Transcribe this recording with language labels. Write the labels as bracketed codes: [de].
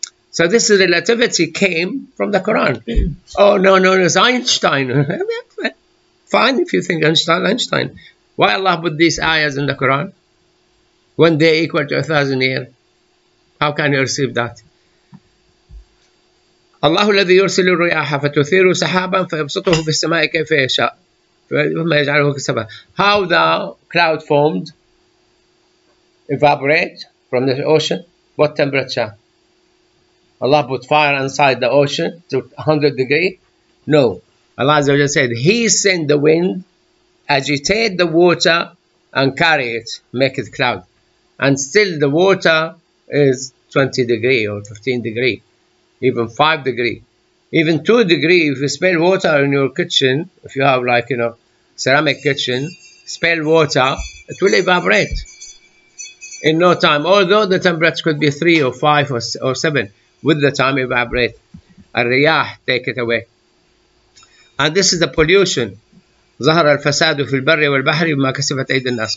[en] So this is relativity came from the Quran. Oh, no, it's Einstein. Fine, if you think Einstein. Why Allah put these ayahs in the Quran? One day equal to 1,000 years. How can you receive that? [ar] الله الذي يرسل الرياح فتثير سحابا فيبسطه في السماء كيف يشاء فما يجعله كسفا. [en] How the cloud formed, evaporate from the ocean, what temperature? Allah put fire inside the ocean to 100 degree? No. Allah Azza wa Jalla said, He sent the wind, agitate the water and carry it, make it cloud. And still the water is 20 degree or 15 degree. Even 5 degrees, even 2 degrees, if you spill water in your kitchen, if you have ceramic kitchen, spill water, it will evaporate. in no time, although the temperature could be 3 or 5 or 7, with the time evaporate, a riyah take it away. And this is the pollution. [ar] ظهر الفساد في البر والبحر بما كسبت أيدي الناس.